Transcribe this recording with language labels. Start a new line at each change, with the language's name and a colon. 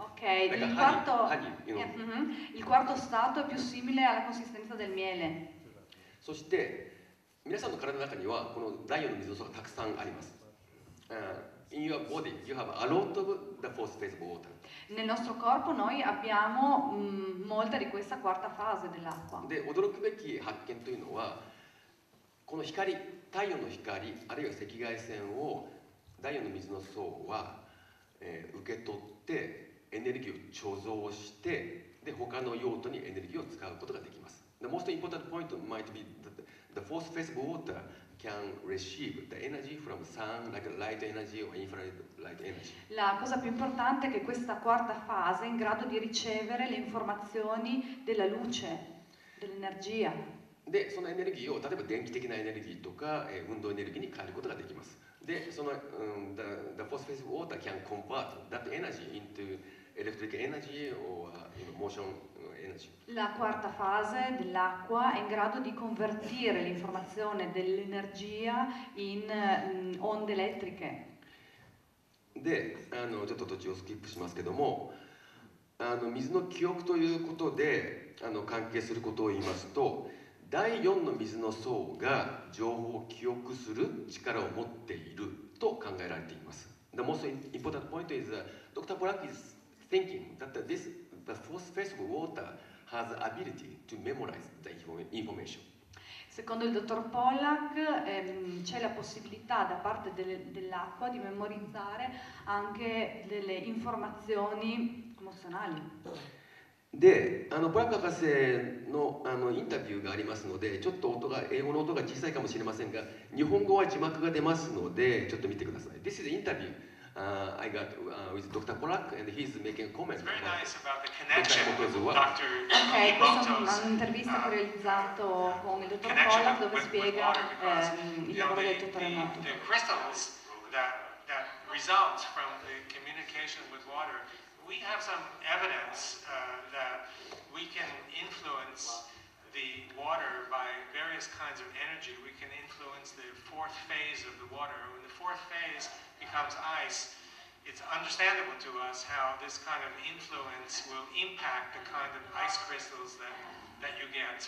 Italian: il quarto stato è più simile alla consistenza del miele.
Japanese: そして皆さんの体の中にはこの第4の水の層がたくさんあります。
English: In your body, you have a lot of the fourth phase of water.
Italian: Nel nostro corpo noi abbiamo molta di questa quarta fase dell'acqua.
Japanese: で、驚くべき発見というのはこの光、太陽の光あるいは赤外線を第4の水の層は、受け取ってエネルギーを貯蔵して、で他の用途にエネルギーを使うことができます。
English: The most important point might be that the fourth phase of water can receive the energy from sun, like light energy or infrared light energy.
Italian: La cosa più importante è che questa quarta fase è in grado di ricevere le informazioni della luce, dell'energia.
Japanese: で、そのエネルギーを例えば電気的なエネルギーとか、運動エネルギーに変えることができます。
English: で、その、the fourth phase of water can convert that energy into electric energy or motion energy.
Italian: La quarta fase dell'acqua è in grado di convertire l'informazione dell'energia in onde elettriche.
Japanese: で、ちょっと途中をスキップしますけども、水の記憶ということで関係することを言いますと、第4の水の層が情報を記憶する力を持っていると考えられています。
English: The most important point is that Dr. Polak is thinking that this, the fourth phase of water has ability to memorize the information.
Italian: Secondo il dottor Polak, c'è la possibilità da parte dell'acqua di memorizzare anche delle informazioni emozionali.
Japanese: で、ポラカ博士 の, インタビューがありますので、ちょっと音が、英語の音が小さいかもしれませんが、日本語は字幕が出ますので、ちょっと見てください。
English: This is an interview I got with Dr. Polak, and he's making a comment. It's very nice about the connection with Dr. Hiboto's. Ok,
Italian: questa è un'intervista che ho realizzato con il dottor Polak, dove spiega il lavoro del dottor Hiboto.
English: The crystals that result from the communication with water, we have some evidence that we can influence the water by various kinds of energy. We can influence the fourth phase of the water. When the fourth phase becomes ice, it's understandable to us how this kind of influence will impact the kind of ice crystals that you get.